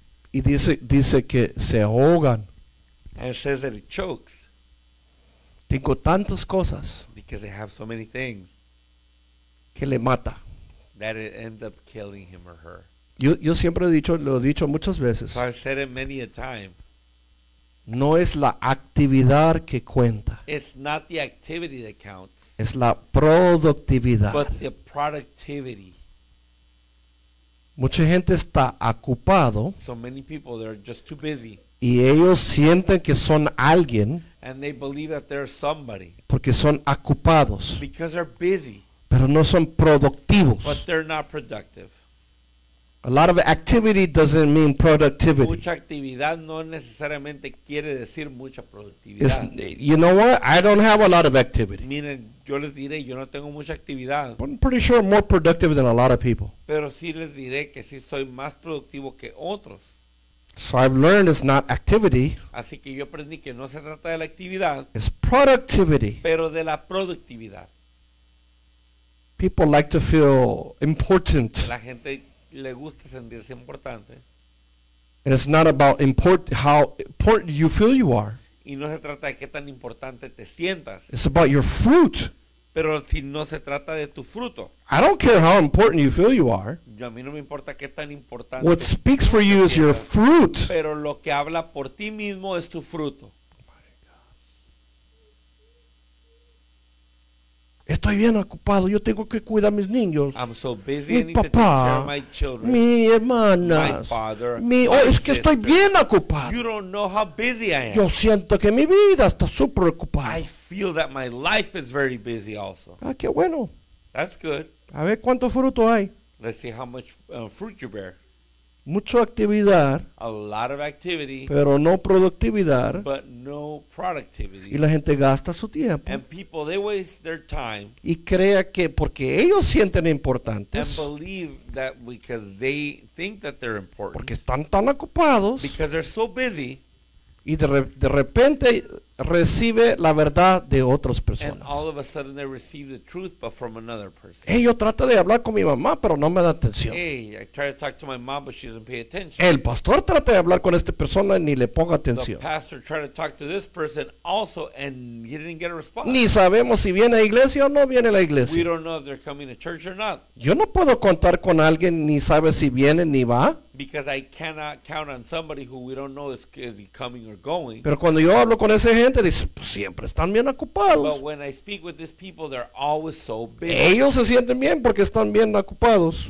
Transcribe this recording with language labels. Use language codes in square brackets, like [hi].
[es] Y dice que se ahogan. [en] And it says that it chokes. [es] Tengo tantas cosas. [en] Because they have so many things. [es] Que le mata. [en] That it ends up killing him or her. [es] Yo siempre he dicho, lo he dicho muchas veces. [en] So I've said it many a time. [es] No es la actividad que cuenta. [en] It's not the activity that counts. [es] Es la productividad. [en] But the productivity. [es] Mucha gente está ocupado. [en] So many people, they're just too busy. [es] Y ellos sienten que son alguien. [en] And they believe that they're somebody. [es] Porque son ocupados. [en] Because they're busy. [es] Pero no son productivos. [en] But they're not productive. A lot of activity doesn't mean productivity. [es] Mucha actividad no necesariamente quiere decir mucha productividad. [en] It's, you know what? I don't have a lot of activity. [es] Miren, yo les diré, yo no tengo mucha actividad. [en] But I'm pretty sure I'm more productive than a lot of people. [es] Pero sí les diré que sí soy más productivo que otros. [en] So I've learned it's not activity. [es] Así que yo aprendí que no se trata de la actividad. [en] It's productivity. [es] Pero de la productividad. [en] People like to feel important. [es] La gente le gusta sentirse importante. [en] And it's not about how important you feel you are. [es] Y no se trata de qué tan importante te sientas. [en] It's about your fruit. [es] Pero si no se trata de tu fruto. [en] I don't care how important you feel you are. [es] Yo a mí no me importa qué tan importante. [en] What speaks for you is your fruit. [es] Pero lo que habla por ti mismo es tu fruto. Estoy bien ocupado, yo tengo que cuidar a mis niños. [en] I'm so busy, [es] mi papá, [en] my children, [es] mi hermana, mi sister. Estoy bien ocupado. [en] You don't know how busy I am. [es] Yo siento que mi vida está súper ocupada. [en] I feel that my life is very busy also. [es] Ah, qué bueno. [en] That's good. [es] A ver cuánto fruto hay. [en] Let's see how much fruit you bear. [es] Mucho actividad. [en] A lot of activity. [es] Pero no productividad. [en] But no productivity. [es] Y la gente gasta su tiempo. [en] And people, they waste their time. [es] Y crea que porque ellos sienten importantes. [en] And believe that because they think that they're important. [es] Porque están tan ocupados. [en] Because they're so busy. [es] Y de repente recibe la verdad de otras personas. [en] And all of a sudden they receive the truth, but from another person. [es] Hey, yo trato de hablar con mi mamá, pero no me da atención. [en] Hey, I try to talk to my mom, but she doesn't pay attention. [es] El pastor trata de hablar con esta persona y ni le ponga atención. [en] The pastor tried to talk to this person also, and he didn't get a response. [es] Ni sabemos si viene a iglesia o no viene a la iglesia. [en] We don't know if they're coming to church or not. [es] Yo no puedo contar con alguien ni sabe si viene ni va. [en] Because I cannot count on somebody who we don't know is he coming or going. [es] Pero cuando yo hablo con ese gente dice, pues siempre están bien ocupados. [en] But when I speak with these people, they're always so busy. [es] Ellos se sienten bien porque están bien ocupados.